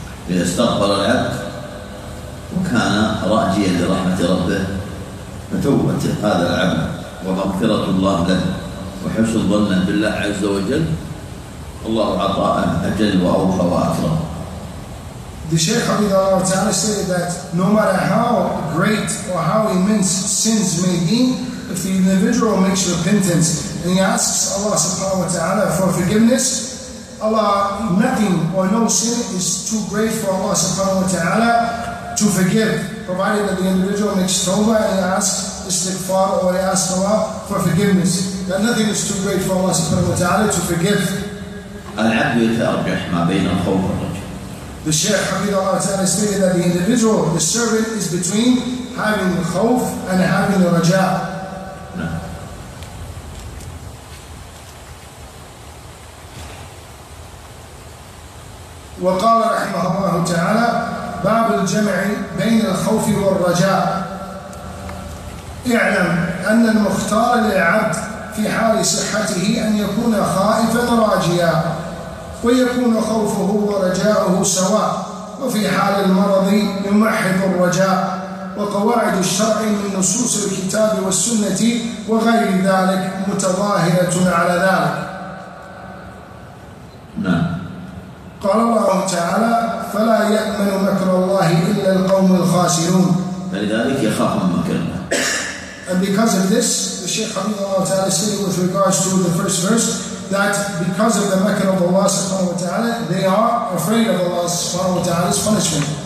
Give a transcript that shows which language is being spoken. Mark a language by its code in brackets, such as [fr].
[ar] إذا استغفر العبد وكان راجيا لرحمة ربه فتوبة هذا العبد ومغفرة الله له وحسن ظنه بالله عز وجل الله عطاءه أجل وأوفى وأكرم. [en] The Shaykh Habib Allah Ta'ala said that no matter how great or how immense sins may be, if the individual makes repentance and he asks Allah Subhanahu Wa Ta'ala for forgiveness, Allah, nothing or no sin is too great for Allah Subhanahu Wa Ta'ala to forgive, provided that the individual makes tawbah and he asks istighfar or he asks Allah for forgiveness. That nothing is too great for Allah Subhanahu Wa Ta'ala to forgive. [ar] العبد يتأرجح ما بين الخوف والرجاء. [en] The Shaykh Habib Allah Ta'ala stated that the individual, the servant, is between having the khawf and having the raja. [ar] وقال رحمه الله تعالى: باب الجمع بين الخوف والرجاء. اعلم أن المختار للعبد في حال صحته أن يكون خائفا راجيا ويكون خوفه ورجاؤه سواء، وفي حال المرض يمحض الرجاء. وقواعد الشرع من نصوص الكتاب والسنة وغير ذلك متظاهرة على ذلك. قال الله تعالى: فلا يأمن مكر الله إلا القوم الخاسرون. فلذلك يخاف من مكر الله. [en] And because of this, the Shaykh Habib Allah Ta'ala said with regards to the first verse that because of the makr of Allah subhanahu wa ta'ala, they are afraid of Allah subhanahu wa ta'ala's punishment.